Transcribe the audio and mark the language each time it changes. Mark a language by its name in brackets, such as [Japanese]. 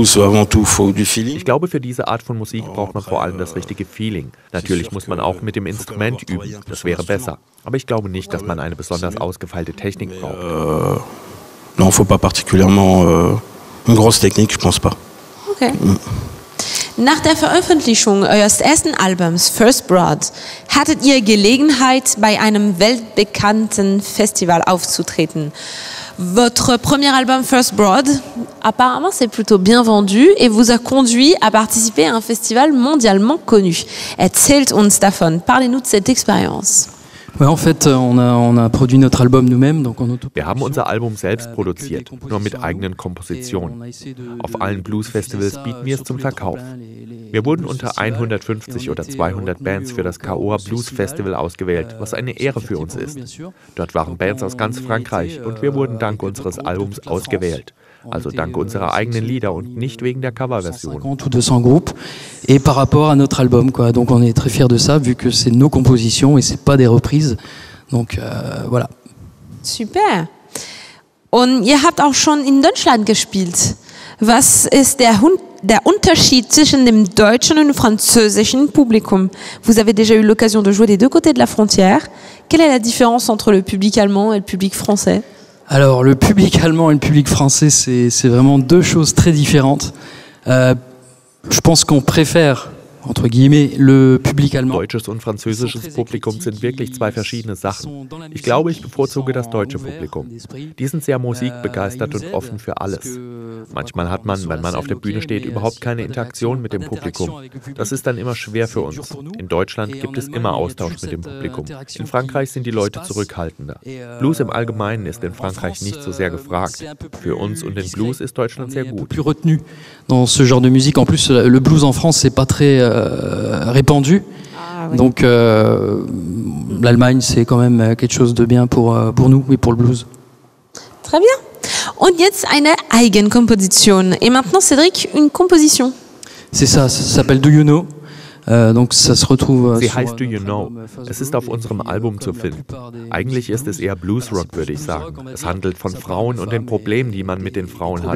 [German] Ich glaube, für diese Art von Musik braucht man vor allem das richtige Feeling. Natürlich muss man auch mit dem Instrument üben, das wäre besser. Aber ich glaube nicht, dass man eine besonders ausgefeilte Technik braucht. [French] Non, faut pas particulièrement une grosse technique, je pense pas. Okay. [German] Nach der Veröffentlichung eures ersten Albums, First Broad, hattet ihr Gelegenheit, bei einem weltbekannten Festival aufzutreten. [French] Votre premier album First Broad, apparemment, s'est plutôt bien vendu et vous a conduit à participer à un festival mondialement connu. [German] Erzählt uns davon. [French] Parlez-nous de cette expérience. Ouais, en fait, on a produit notre album nous-mêmes, donc en [German] auto. Wir haben unser Album selbst produziert, nur mit eigenen Kompositionen. Auf allen Blues-Festivals bieten wir es zum Verkauf. Wir wurden unter 150 oder 200 Bands für das Kaoa Blues Festival ausgewählt, was eine Ehre für uns ist. Dort waren Bands aus ganz Frankreich und wir wurden dank unseres Albums ausgewählt. Also dank unserer eigenen Lieder und nicht wegen der Coverversion. [French] Et par rapport à notre album, quoi. Donc on est très fiers de ça, vu que c'est nos compositions et c'est pas des reprises. Donc voilà. Super. [German] Und ihr habt auch schon in Deutschland gespielt. Was ist der Unterschied zwischen dem deutschen und französischen Publikum? [French] Vous avez déjà eu l'occasion de jouer des deux côtés de la frontière. Quelle est la différence entre le public allemand et le public français? Alors, le public allemand et le public français, c'est vraiment deux choses très différentes. Je pense qu'on préfère, entre guillemets, le public allemand. [German] Deutsches und französisches Publikum sind wirklich zwei verschiedene Sachen. Ich glaube, ich bevorzuge das deutsche Publikum. Die sind sehr musikbegeistert und offen für alles. Manchmal hat man, wenn man auf der Bühne steht, überhaupt keine Interaktion mit dem Publikum. Das ist dann immer schwer für uns. In Deutschland gibt es immer Austausch mit dem Publikum. In Frankreich sind die Leute zurückhaltender. Blues im Allgemeinen ist in Frankreich nicht so sehr gefragt. Für uns und den Blues ist Deutschland sehr gut. [French] Plus retenu dans ce genre de musique. En plus, le blues en France c'est pas très répandu. Donc l'Allemagne c'est quand même quelque chose de bien pour nous et pour le blues. Très bien. [German] Und jetzt eine Eigenkomposition. [French] Et maintenant, Cédric, une Komposition. C'est ça, ça s'appelle Do You Know. Donc ça se retrouve. [German] Sie heißt Do You Know. Es ist auf unserem Album zu finden. Eigentlich ist es eher Bluesrock, würde ich sagen. Es handelt von Frauen und den Problemen, die man mit den Frauen hat.